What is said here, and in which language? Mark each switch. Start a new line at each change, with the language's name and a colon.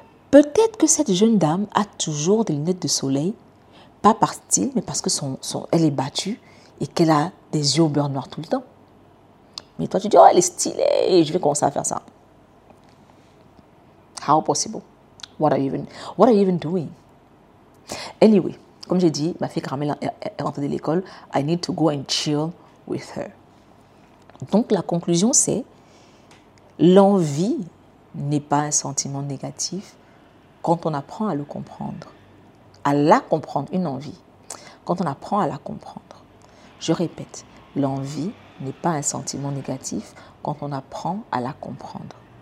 French: Peut-être que cette jeune dame a toujours des lunettes de soleil, pas par style, mais parce que elle est battue et qu'elle a des yeux au beurre noir tout le temps. Mais toi, tu dis, oh, elle est stylée, je vais commencer à faire ça.
English: How possible? What are you even doing? Anyway,
French: comme j'ai dit, ma fille Caramel est rentrée de l'école.
English: I need to go and chill with her.
French: Donc, la conclusion, c'est l'envie n'est pas un sentiment négatif. Quand on apprend à le comprendre, à la comprendre, une envie, quand on apprend à la comprendre, je répète, l'envie n'est pas un sentiment négatif quand on apprend à la comprendre.